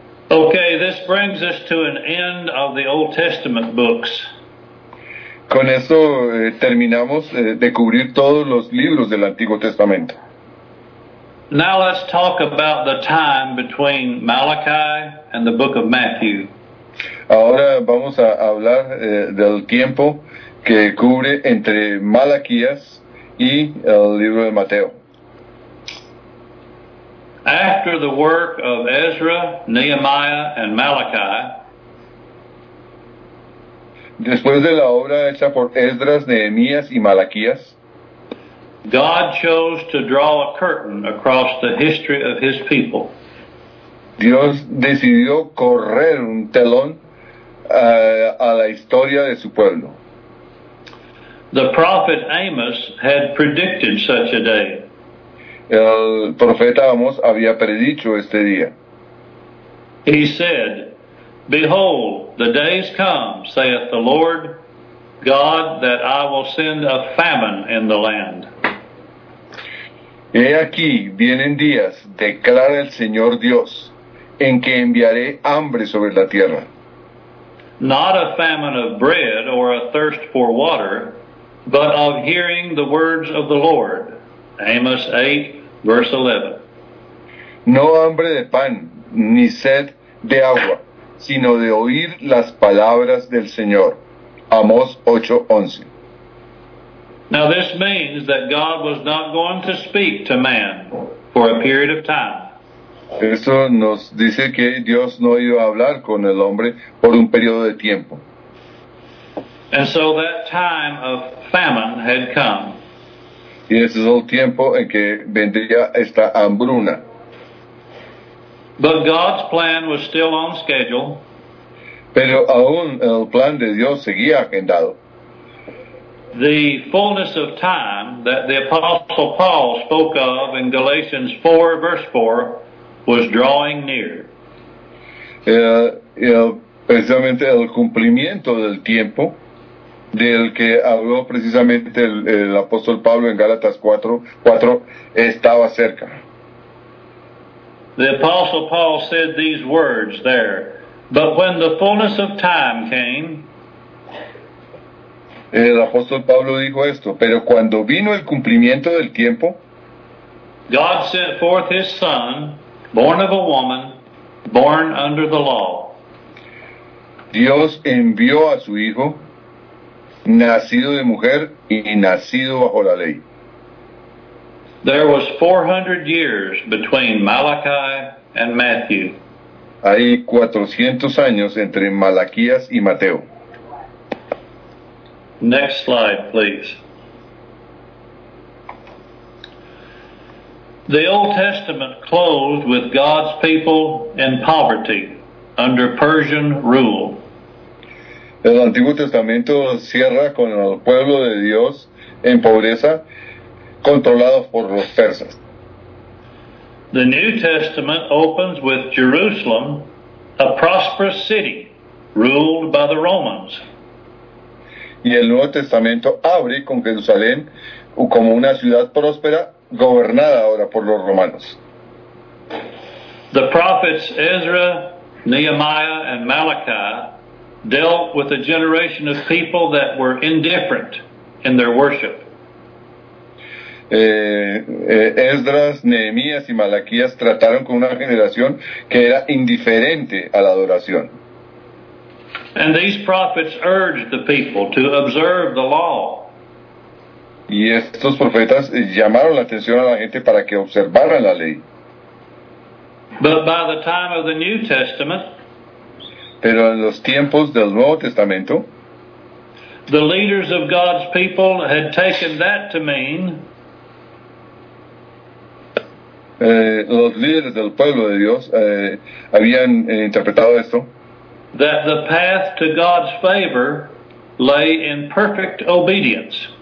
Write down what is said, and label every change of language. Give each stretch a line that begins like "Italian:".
English: Okay, this brings us to an end of the Old Testament books.
Spanish: Con esto terminamos de cubrir todos los libros del Antiguo Testamento.
English: Now let's talk about the time between Malachi and the book of Matthew.
Spanish: Ahora vamos a hablar del tiempo que cubre entre Malaquías y el libro de Mateo.
English: After the work of Ezra, Nehemiah, and Malachi,
Spanish: después de la obra hecha por Esdras, Nehemías y Malaquías,
English: God chose to draw a curtain across the history of his people.
Spanish: Dios decidió correr un telón a la historia de su pueblo.
English: The prophet Amos had predicted such a day.
Spanish: El profeta Amos había predicho este día.
English: He said, "Behold, the days come, saith the Lord God, that I will send a famine in the land."
Spanish: He aquí, vienen días, declara el Señor Dios, en que enviaré hambre sobre la tierra.
English: Not a famine of bread or a thirst for water, but of hearing the words of the Lord. Amos 8, verse 11.
Spanish: No hambre de pan, ni sed de agua, sino de oír las palabras del Señor. Amos 8, 11.
English: Now this means that God was not going to speak to man for a period of time.
Spanish: Esto nos dice que Dios no iba a hablar con el hombre por un periodo de tiempo.
English: And so that time of famine had come.
Spanish: Y ese es el tiempo en que vendría esta hambruna.
English: But God's plan was still on schedule.
Spanish: Pero aún el plan de Dios seguía agendado.
English: The fullness of time that the Apostle Paul spoke of in Galatians 4, verse 4, was drawing near.
Spanish: Precisamente el cumplimiento del tiempo del que habló precisamente el apóstol Pablo en Gálatas 4:4 estaba cerca.
English: The Apostle Paul said these words there, "But when the fullness of time came,"
Spanish: el apóstol Pablo dijo esto, "pero cuando vino el cumplimiento del tiempo,"
English: God sent forth his son, born of a woman, born under the law.
Spanish: Dios envió a su hijo, nacido de mujer y nacido bajo la ley.
English: There was 400 years between Malachi and Matthew.
Spanish: Hay 400 años entre Malaquías y Mateo.
English: Next slide, please. The Old Testament closed with God's people in poverty under Persian rule.
Spanish: El Antiguo Testamento cierra con el pueblo de Dios en pobreza, controlado por los persas.
English: The New Testament opens with Jerusalem, a prosperous city, ruled by the Romans.
Spanish: Y el Nuevo Testamento abre con Jerusalén como una ciudad próspera, gobernada ahora por los romanos.
English: The prophets Ezra, Nehemiah, and Malachi dealt with a generation of people that were indifferent in their worship.
Spanish: Esdras, Nehemías y Malaquías trataron con una generación que era indiferente a la adoración.
English: And these prophets urged the people to observe the law.
Spanish: Y estos profetas llamaron la atención a la gente para que observaran la ley.
English: But by the time of the New Testament,
Spanish: pero en los tiempos del Nuevo Testamento,
English: the leaders of God's people had taken that to mean
Spanish: los líderes del pueblo de Dios habían interpretado esto,
English: that the path to God's favor lay in perfect obedience.